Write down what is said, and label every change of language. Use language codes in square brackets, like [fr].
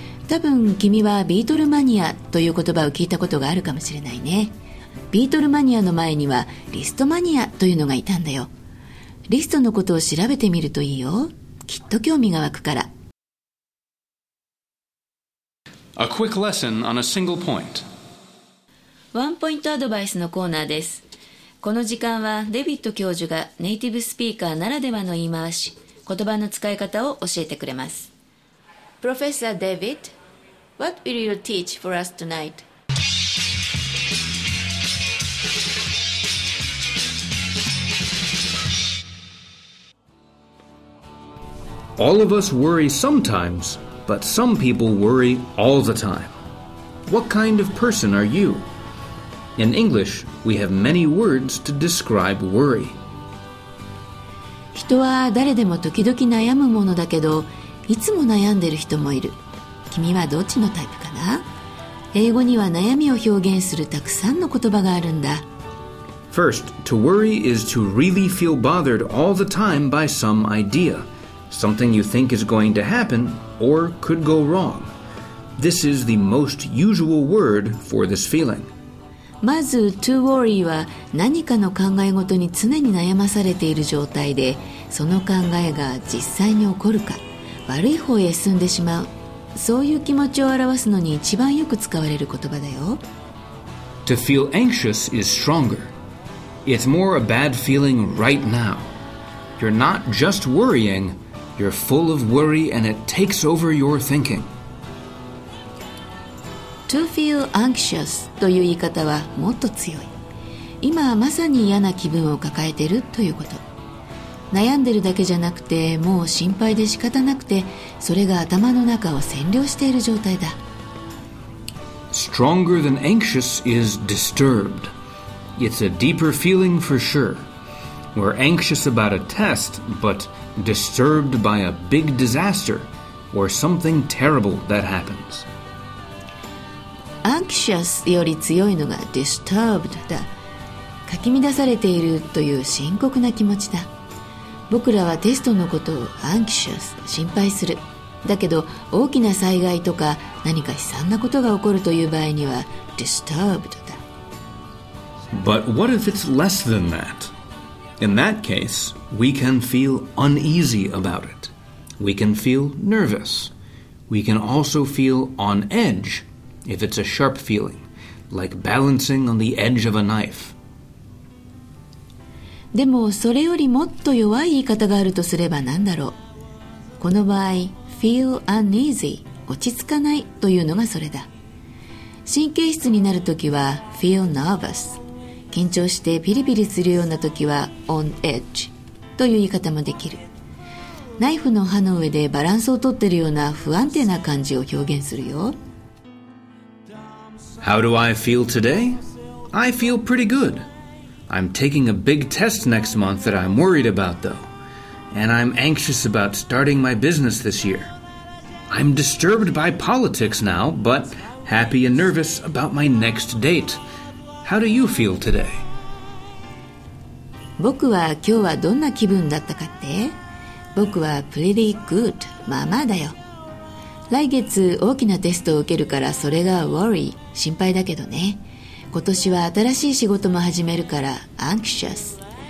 [ja] 多分君はビートルマニアという言葉を聞いたことがあるかもしれないね。ビートルマニアの前にはリストマニアというのがいたんだよ。リストのことを調べてみるといいよ。きっと興味が湧くから。 [en] A quick lesson on a single point. [ja] ワンポイントアドバイスのコーナーです。この時間はデビッド教授がネイティブスピーカーならではの言い回し、言葉の使い方を教えてくれます。 [en] Professor David, what will you teach for us tonight? All of us worry sometimes, but some people worry all the time. What kind of person are you? In English, we have many words to describe worry. [ja] 人は誰でも時々悩むものだけど、いつも悩んでる人もいる。君はどっちのタイプかな？英語には悩みを表現するたくさんの言葉があるんだ。 [en] First, to worry is to really feel bothered all the time by some idea. Something you think is going to happen or could go wrong. This is the most usual word for this feeling. [ja] まず、to worry は何かの考え事に常に悩まされている状態で、その考えが実際に起こるか、悪い方へ進んでしまう。そういう気持ちを表すのに一番よく使われる言葉だよ。 [en] To feel anxious is stronger. It's more a bad feeling right now. You're not just worrying, you're full of worry and it takes over your thinking. [ja] To feel anxious という言い方はもっと強い。今まさに嫌な気分を抱えているということ。悩んでるだけじゃなくて、もう心配で仕方なくて、それが頭の中を占領している状態だ。 [en] Stronger than anxious is disturbed. It's a deeper feeling for sure. We're anxious about a test, but disturbed by a big disaster or something terrible that happens. [ja] Anxious より強いのが disturbed だ。かき乱されているという深刻な気持ちだ。僕らはテストのことを anxious、 心配する。だけど大きな災害とか何か悲惨なことが起こるという場合には disturbed だ。 [en] But what if it's less than that? In that case, we can feel uneasy about it. We can feel nervous. We can also feel on edge if it's a sharp feeling, like balancing on the edge of a knife. [ja] でもそれよりもっと弱い言い方があるとすれば何だろう。この場合 feel uneasy、 落ち着かないというのがそれだ。神経質になるときは feel nervous、 緊張してピリピリするようなときは on edge という言い方もできる。ナイフの刃の上でバランスを取っているような不安定な感じを表現するよ。 [en] How do I feel today? I feel pretty goodI'm taking a big test next month that I'm worried about, though. And I'm anxious about starting my business this year. I'm disturbed by politics now, but happy and nervous about my next date. How do you feel today? [ja] 僕は今日はどんな気分だったかって？僕は pretty good、 まあまあだよ。来月大きなテストを受けるからそれが worry、 心配だけどね。今年は新しい仕事も始めるから anxious。